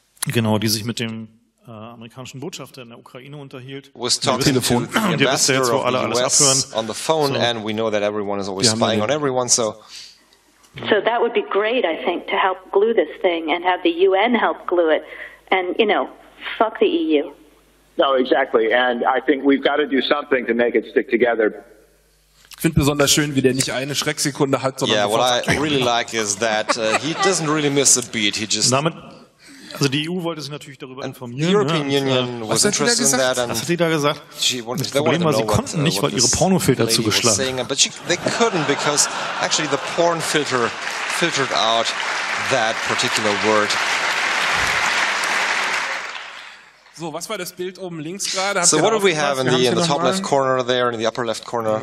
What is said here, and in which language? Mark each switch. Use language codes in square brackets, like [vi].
[de] Genau, die sich mit dem amerikanischen Botschafter in der Ukraine unterhielt. [en] Was talking to the ambassador of the US on the phone, and we know that everyone is always spying on everyone, so. So that would be great, I think, to help glue this thing and have the UN help glue it. And, you know, fuck the EU. No, exactly. And I think we've got to do something to make it stick together. [de] Ich finde besonders schön, wie der nicht eine Schrecksekunde hat, sondern [en] yeah, what I really like is that he doesn't really miss a beat. He just... [de] Damit also die EU wollte sich natürlich darüber informieren. [en] The European Union was interested in that. [de] Was hat die da gesagt? Das Problem war, sie konnten nicht, weil ihre Pornofilter zugeschlagen haben. [en] But they couldn't, because actually the porn filter filtered out that particular word. [de] So, was war das Bild oben links gerade? [en] So what did we have in the top left corner there, in the upper left corner?